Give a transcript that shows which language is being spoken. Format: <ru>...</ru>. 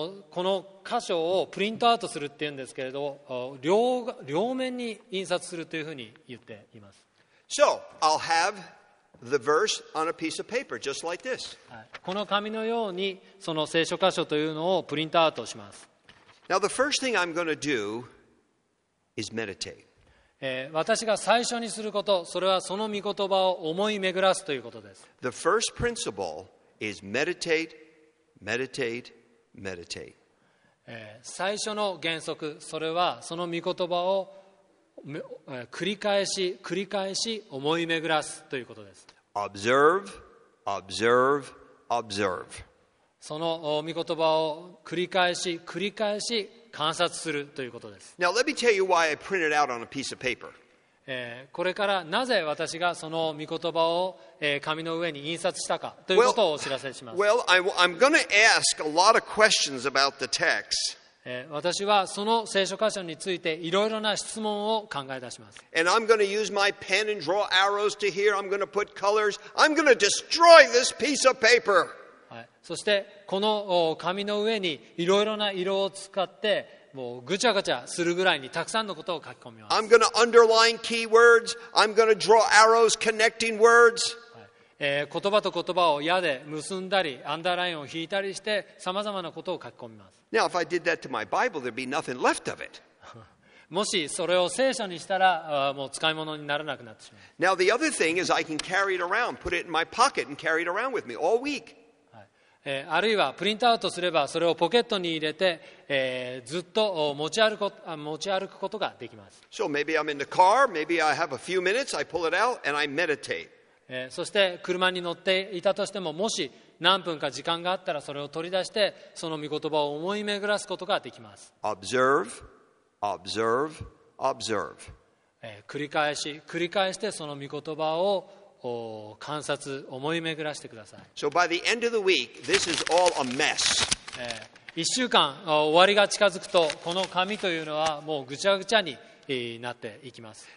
<ja>この箇所をプリントアウトするっていうんですけれど、両面に印刷するというふうに言っています。</ja> <en>So, I'll have the verse on a piece of paper, just like this.</en> <ja>この紙のようにその聖書箇所というのをプリントアウトします。</ja> <en>Now, the first thing I'm going to do is meditate.</en> <ja>私が最初にすること、それはその御言葉を思い巡らすということです。</ja> <en>The first principle is meditate. Meditate, meditate.</en> <ja>最初の原則、それはその御言葉を繰り返し繰り返し思い巡らすということです。</ja> <en>Observe, observe, observe.</en> <ja>その御言葉を繰り返し繰り返し観察するということです。</ja> <en>Now let me tell you why I printed out on a piece of paper.</en> <ja>これからなぜ私がその御言葉を紙の上に印刷したかということをお知らせします。</ja> <en>I'm going to ask a lot of questions about the text.</en> <ja>私はその聖書箇所についていろいろな質問を考え出します。</ja> <en>And I'm going to use my pen and draw arrows to here. I'm going to put colors. I'm going to destroy this piece of paper.</en> <ja>はい、そしてこの紙の上にいろいろな色を使ってもうぐちゃぐちゃするぐらいにたくさんのことを書き込みます。</ja> <en>I'm going to underline keywords. I'm going to draw arrows connecting words.</en> <ja>言葉と言葉を矢で結んだりアンダーラインを引いたりしてさまざまなことを書き込みます。</ja> <en>Now if I did that to my Bible, there'd be nothing left of it.</en> <ja>もしそれを聖書にしたらもう使い物にならなくなってしまう。</ja> <en>Now the other thing is I can carry it around, put it in my pocket and carry it around with me all week.</en> <ja>あるいはプリントアウトすればそれをポケットに入れて、ずっと持ち歩くことができます。</ja> <en>So maybe I'm in the car, maybe I have a few minutes, I pull it out and I meditate.</en> <ja>そして車に乗っていたとしてももし何分か時間があったらそれを取り出してその御言葉を思い巡らすことができます。</ja> <en>Observe, observe, observe.</en> <ja>繰り返し繰り返してその御言葉を観察思い巡らしてください。</ja> <en>So by the end of the week, this is all a mess.</en> <ja>1週間終わりが近づくとこの紙というのはもうぐちゃぐちゃになっていきます。</ja>